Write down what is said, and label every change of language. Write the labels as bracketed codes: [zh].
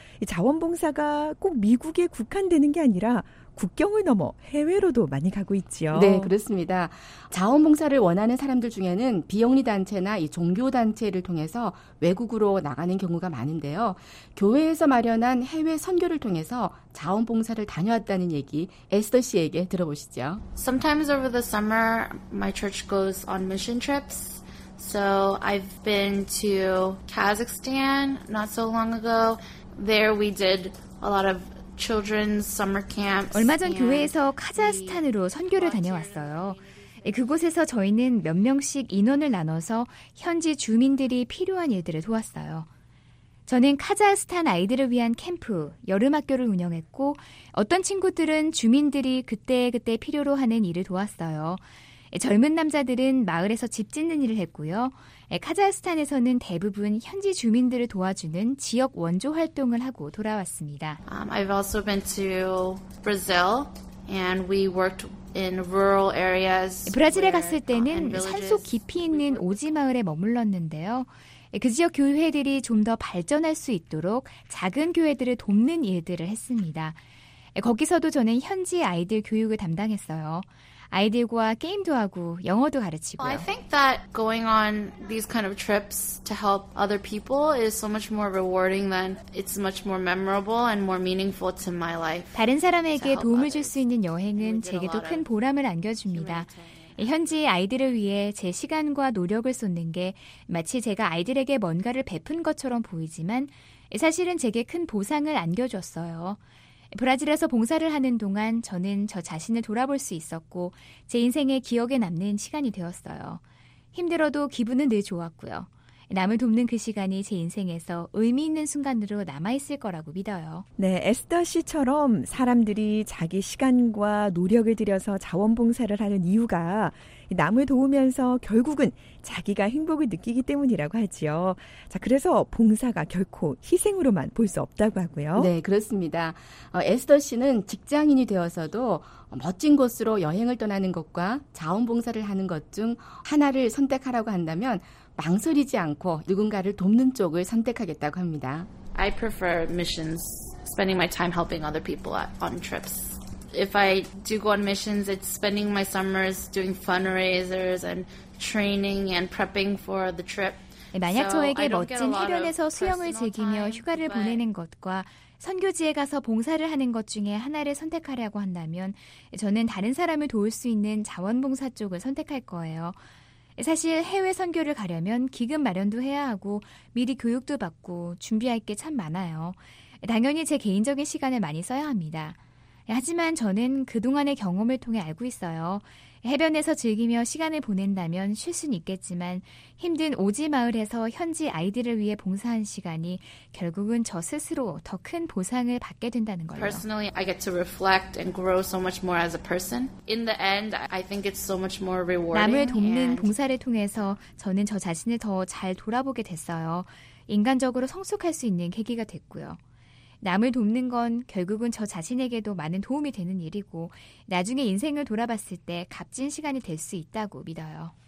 [ko] 자원봉사가 꼭 미국에 국한되는 게 아니라 국경을 넘어 해외로도 많이 가고 있지요. 네, 그렇습니다. 자원봉사를 원하는 사람들 중에는 비영리단체나 이 종교단체를 통해서 외국으로 나가는 경우가 많은데요. 교회에서 마련한 해외 선교를 통해서 자원봉사를 다녀왔다는 얘기 에스더 씨에게 들어보시죠. [en] Sometimes over the summer, my church goes on mission trips. So I've been to Kazakhstan not so long ago. There we did a lot of children's summer camps. [ko] 얼마 전 교회에서 카자흐스탄으로 선교를 다녀왔어요. 그곳에서 저희는 몇 명씩 인원을 나눠서 현지 주민들이 필요한 일들을 도왔어요. 저는 카자흐스탄 아이들을 위한 캠프, 여름학교를 운영했고 어떤 친구들은 주민들이 그때그때 필요로 하는 일을 도왔어요. 젊은 남자들은 마을에서 집 짓는 일을 했고요. 카자흐스탄에서는 대부분 현지 주민들을 도와주는 지역 원조 활동을 하고 돌아왔습니다. [en] I've also been to Brazil and we worked in rural areas. [ko] 브라질에 갔을 때는 산속 깊이 있는 오지 마을에 머물렀는데요. 그 지역 교회들이 좀 더 발전할 수 있도록 작은 교회들을 돕는 일들을 했습니다. 거기서도 저는 현지 아이들 교육을 담당했어요. 아이들과 게임도 하고 영어도 가르치고요. [en] I think that going on these kind of trips to help other people is so much more rewarding than it's much more memorable and more meaningful to my life. [ko] 다른 사람에게 도움을 줄 수 있는 여행은 제게도 큰 보람을 안겨줍니다. 현지 아이들을 위해 제 시간과 노력을 쏟는 게 마치 제가 아이들에게 뭔가를 베푼 것처럼 보이지만 사실은 제게 큰 보상을 안겨줬어요. 브라질에서 봉사를 하는 동안 저는 저 자신을 돌아볼 수 있었고 제 인생의 기억에 남는 시간이 되었어요. 힘들어도 기분은 늘 좋았고요. 남을 돕는 그 시간이 제 인생에서 의미 있는 순간으로 남아있을 거라고 믿어요. 네, 에스더 씨처럼 사람들이 자기 시간과 노력을 들여서 자원봉사를 하는 이유가 남을 도우면서 결국은 자기가 행복을 느끼기 때문이라고 하지요. 자, 그래서 봉사가 결코 희생으로만 볼 수 없다고 하고요. 네, 그렇습니다. 에스더 씨는 직장인이 되어서도 멋진 곳으로 여행을 떠나는 것과 자원봉사를 하는 것 중 하나를 선택하라고 한다면 망설이지 않고 누군가를 돕는 쪽을 선택하겠다고 합니다. [en] I prefer missions, spending my time helping other people on trips. If I do go on missions, it's spending my summers doing fundraisers and training and prepping for the trip. [ko] 만약 저에게 멋진 해변에서 수영을 즐기며 휴가를 보내는 것과 선교지에 가서 봉사를 하는 것 중에 하나를 선택하려고 한다면 저는 다른 사람을 도울 수 있는 자원봉사 쪽을 선택할 거예요. 사실 해외 선교를 가려면 기금 마련도 해야 하고 미리 교육도 받고 준비할 게 참 많아요. 당연히 제 개인적인 시간을 많이 써야 합니다. 하지만 저는 그동안의 경험을 통해 알고 있어요. 해변에서 즐기며 시간을 보낸다면 쉴 순 있겠지만 힘든 오지 마을에서 현지 아이들을 위해 봉사한 시간이 결국은 저 스스로 더 큰 보상을 받게 된다는 거예요. [en] Personally, I get to reflect and grow so much more as a person. In the end, I think it's so much more rewarding. [ko] 남을 돕는 봉사를 통해서 저는 저 자신을 더 잘 돌아보게 됐어요. 인간적으로 성숙할 수 있는 계기가 됐고요. 남을 돕는 건 결국은 저 자신에게도 많은 도움이 되는 일이고 나중에 인생을 돌아봤을 때 값진 시간이 될 수 있다고 믿어요.